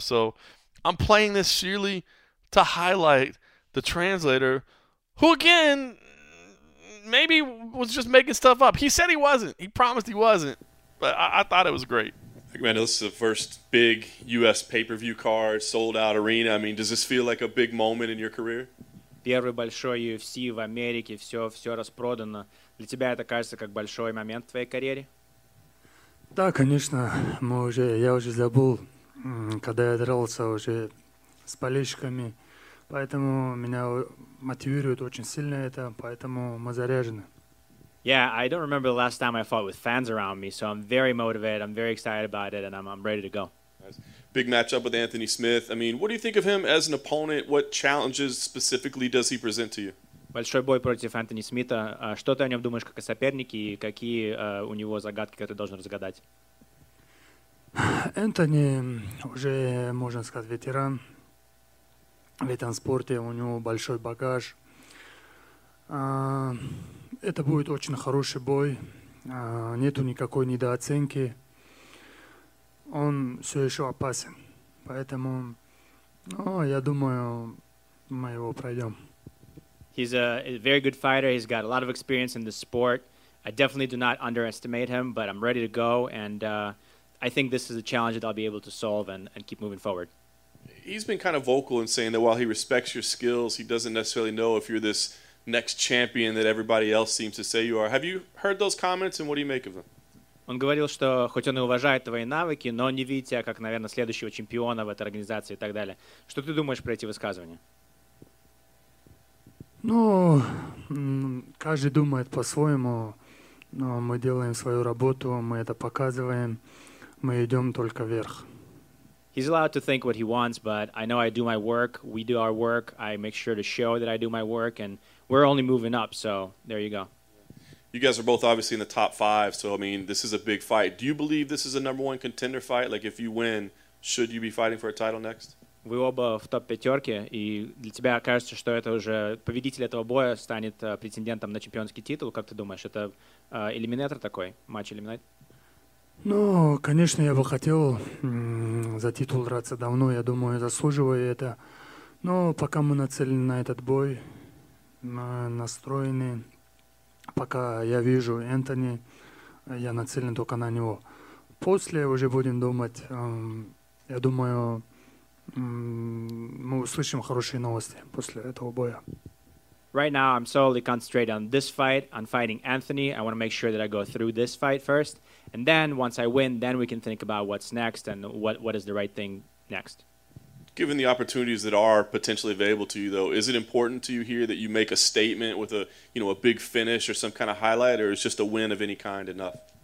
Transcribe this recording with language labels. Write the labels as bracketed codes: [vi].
[en] So I'm playing this sheerly to highlight the translator who, again, maybe was just making stuff up. He said he wasn't. He promised he wasn't. But I thought it was great. Man, this is the first big U.S. pay-per-view card, sold-out arena. I mean, does this feel like a big moment in your career? [ru] Первый большой UFC в Америке, все распродано. Для тебя это кажется как большой момент в твоей карьере? Да, конечно. Я уже забыл, когда я дрался уже с болельщиками. Поэтому меня мотивирует очень сильно это, поэтому мы заряжены. [en] Yeah, I don't remember the last time I fought with fans around me, so I'm very motivated, I'm very excited about it, and I'm ready to go. Big matchup with Anthony Smith. I mean, what do you think of him as an opponent? What challenges specifically does he present to you? [ru] Большой бой против Anthony Smith. Что ты о нем думаешь как о сопернике, и какие у него загадки, которые должен разгадать? Anthony уже, можно сказать, ветеран. В этом спорте у него большой багаж. Это будет очень хороший бой. Нету никакой недооценки. Он все еще опасен, поэтому, ну, я думаю, мы его пройдем. [en] He's a very good fighter. He's got a lot of experience in the sport. I definitely do not underestimate him, but I'm ready to go, and I think this is a challenge that I'll be able to solve and keep moving forward. He's been kind of vocal in saying that while he respects your skills, he doesn't necessarily know if you're this next champion that everybody else seems to say you are. Have you heard those comments, and what do you make of them? [ru] Он говорил, что хоть он и уважает твои навыки, но он не видит тебя как, наверное, следующего чемпиона в этой организации и так далее. Что ты думаешь про эти высказывания? Ну, каждый думает по-своему, но мы делаем свою работу, мы это показываем, мы идем только вверх. [en] He's allowed to think what he wants, but I know I do my work, we do our work, I make sure to show that I do my work, and we're only moving up, so there you go. You guys are both obviously in the top five, so, I mean, this is a big fight. Do you believe this is a number one contender fight? Like, if you win, should you be fighting for a title next? [ru] Вы оба в топ-пятерке, и для тебя кажется, что это уже победитель этого боя станет претендентом на чемпионский титул. Как ты думаешь, это элиминатор такой, матч-элиминатор? Ну, конечно, я бы хотел за титул драться давно. Я думаю, заслуживаю это. Но пока мы нацелены на этот бой, настроены... пока я вижу Энтони, я нацелен только на него. После уже будем думать, я думаю, мы услышим хорошие новости после этого боя. [en] Right now, I'm solely concentrated on this fight, on fighting Anthony. I want to make sure that I go through this fight first. And then, once I win, then we can think about what's next and what is the right thing next. Given the opportunities that are potentially available to you, though, is it important to you here that you make a statement with a, you know, a big finish or some kind of highlight, or is just a win of any kind enough?